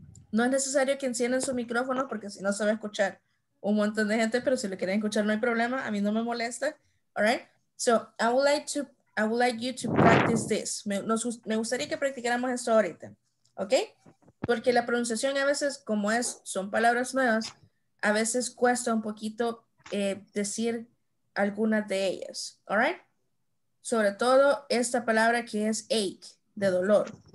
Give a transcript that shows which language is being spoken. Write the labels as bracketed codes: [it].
[es] No es necesario que enciendan su micrófono porque si no se va a escuchar un montón de gente, pero si lo quieren escuchar no hay problema, a mí no me molesta, all right? [en] So, I would like you to practice this. [es] Me gustaría que practicáramos esto ahorita, ¿ok? Porque la pronunciación a veces, como es, son palabras nuevas, a veces cuesta un poquito decir algunas de ellas, all right? Sobre todo esta palabra que es ache, de dolor.